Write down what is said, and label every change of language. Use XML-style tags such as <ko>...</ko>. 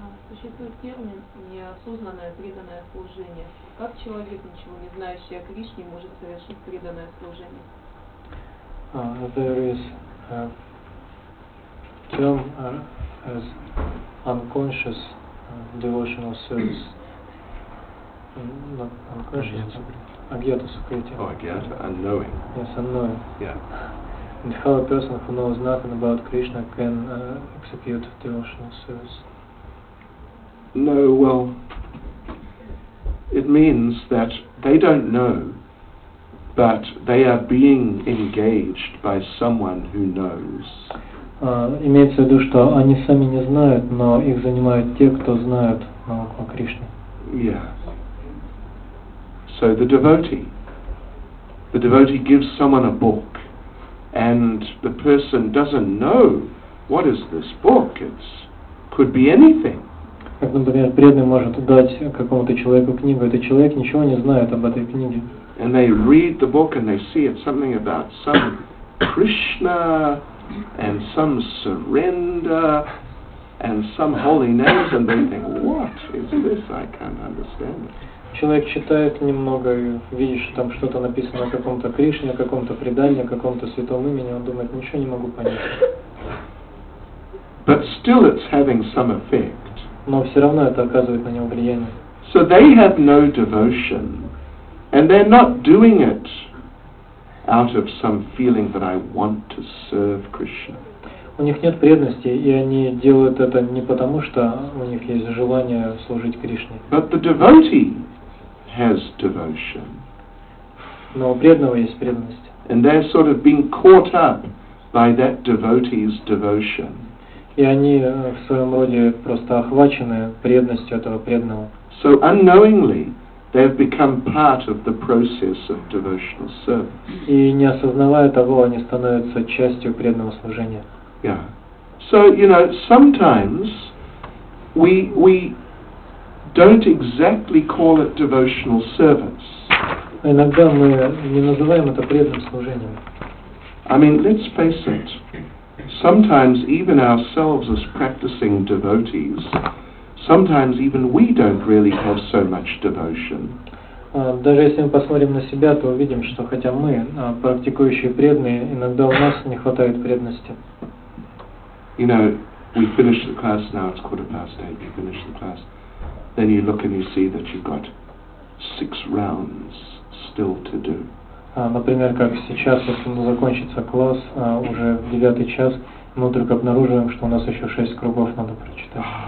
<ru>Существует термин «неосознанное преданное служение». Как человек, ничего не знающий о Кришне, может совершить преданное служение?</ru> <en>There is a term as unconscious devotional service. Not unconscious, agyata sukriti. Oh, agyata, unknowing. Yes, unknowing. Yeah. And how a person who knows nothing about Krishna can execute devotional service? No, well, it means that they don't know, but they are being engaged by someone who knows.</en> <ru>Имеется в виду, что они сами не знают, но их занимают те, кто знают о Кришне.</ru> <en>Yeah. So the devotee gives someone a book, and the person doesn't know what is this book. It could be anything.</en> <ru>Как, например, преданный может дать какому-то человеку книгу, этот человек ничего не знает об этой книге.</ru> <en>And they read the book and they see it's something about some Krishna and some surrender and some holy names, and they think, what is this? I can't understand it.</en> <ru>Человек читает немного, видит, что там что-то написано о каком-то Кришне, о каком-то предании, о каком-то святом имени, он думает, ничего не могу понять.</ru> <en>But still it's having some effect.</en> <ru>Но все равно это оказывает на него влияние.</ru> <en>So they have no devotion, and they're not doing it out of some feeling that I want to serve Krishna.</en> <ru>У них нет преданности, и они делают это не потому, что у них есть желание служить Кришне.</ru> <en>But the devotee has devotion.</en> <ru>Но у преданного есть преданность.</ru> <en>And they're sort of being caught up by that devotee's devotion.</en> <ru>И они в своем роде просто охвачены преданностью этого преданного.</ru> <en>So unknowingly they have become part of the process of devotional service.</en> <ru>И не осознавая того, они становятся частью преданного служения.</ru> <en>Yeah. So, you know, sometimes we don't exactly call it devotional service.</en> <ru>Иногда мы не называем это преданным служением.</ru> <en>I mean, let's face it. Sometimes even ourselves as practicing devotees, sometimes even we don't really have so much devotion.</en> <ru>Даже если мы посмотрим на себя, то увидим, что хотя мы практикующие преданные, иногда у нас не хватает преданности.</ru> <en>You know, we finish the class now, it's 8:15, you finish the class, then you look and you see that you've got 6 rounds still to do.</en> <ru>Например, как сейчас, если закончится класс, уже 9:00, мы вдруг обнаруживаем, что у нас еще 6 кругов надо прочитать.</ru>